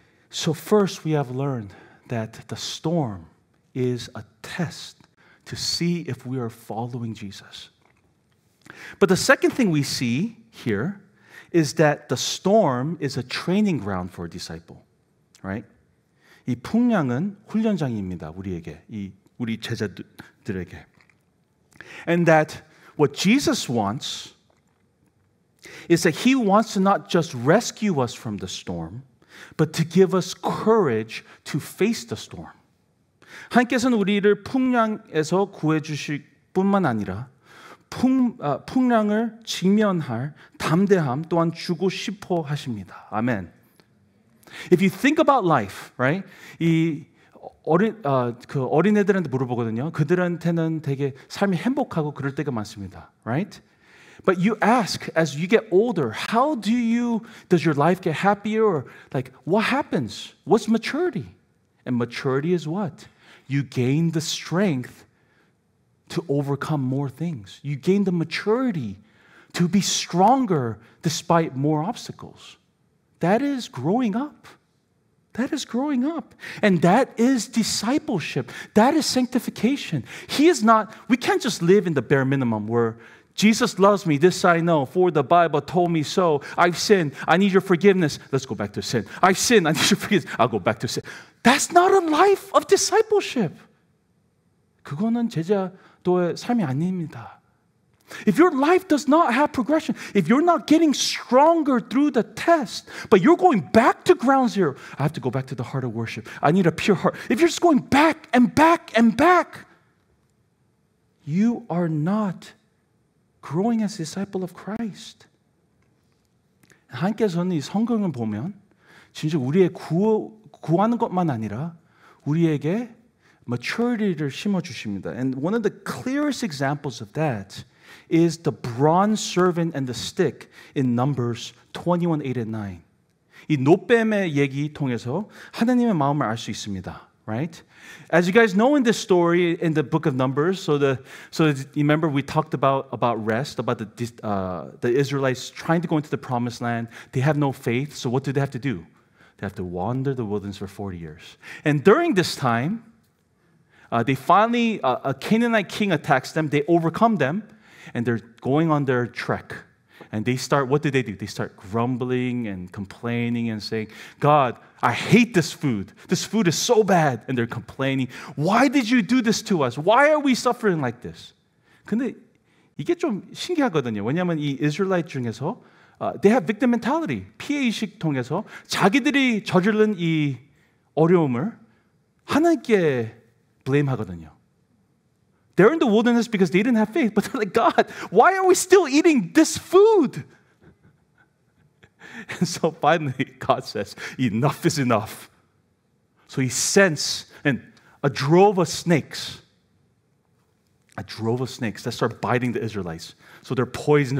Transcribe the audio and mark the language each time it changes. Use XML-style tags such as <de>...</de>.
<en>So first we have learned that the storm is a test to see if we are following Jesus. But the second thing we see here is that the storm is a training ground for a disciple, right?</en> <ko>이 풍랑은 훈련장입니다, 우리에게, 이 우리 제자들에게.</ko> <en>And that what Jesus wants is that he wants to not just rescue us from the storm, but to give us courage to face the storm.</en> <ko>하나님께서는 우리를 풍랑에서 구해주실 뿐만 아니라 풍랑을 직면할 담대함 또한 주고 싶어 하십니다. 아멘.</ko> <en>If you think about life, right?</en> <ko>이 어린애들한테 물어보거든요. 그들한테는 되게 삶이 행복하고 그럴 때가 많습니다.</ko> <en>Right? But you ask as you get older, how do you does your life get happier or like what happens? What's maturity? And maturity is what? You gain the strength to overcome more things. You gain the maturity to be stronger despite more obstacles. That is growing up. That is growing up. And that is discipleship. That is sanctification. He is not, we can't just live in the bare minimum where Jesus loves me, this I know, for the Bible told me so. I've sinned, I need your forgiveness. Let's go back to sin. I've sinned, I need your forgiveness. I'll go back to sin. That's not a life of discipleship.</en> <ko>그거는 제자 삶이 아닙니다.</ko> <en>If your life does not have progression, if you're not getting stronger through the test, but you're going back to ground zero, I have to go back to the heart of worship. I need a pure heart. If you're just going back and back and back, you are not growing as a disciple of Christ.</en> <ko>하나님께서는 이 성경을 보면 진짜 우리의 구하는 것만 아니라 우리에게 maturity를 심어주십니다.</ko> <en>And one of the clearest examples of that is the bronze servant and the stick in Numbers 21:8-9.</en> <ko>이 노뱀의 얘기 통해서 하나님의 마음을 알 수 있습니다.</ko> <en>Right? As you guys know in this story in the book of Numbers, so remember we talked about rest, about the Israelites trying to go into the promised land. They have no faith, so what do they have to do? They have to wander the wilderness for 40 years. And during this time, a Canaanite king attacks them. They overcome them, and they're going on their trek. And they start, what do? They start grumbling and complaining and saying, God, I hate this food. This food is so bad. And they're complaining. Why did you do this to us? Why are we suffering like this?</en> <ko>근데 이게 좀 신기하거든요. 왜냐하면 이 Israelite 중에서,</ko> <en>they have victim mentality.</en> <ko>피해의식 통해서 자기들이 저지른 이 어려움을 하나님께 blame하거든요.</ko> <en>They're in the wilderness because they didn't have faith, but they're like, God, why are we still eating this food? And so finally, God says, enough is enough. So he sends a drove of snakes that start biting the Israelites. So they're poisoned.</en>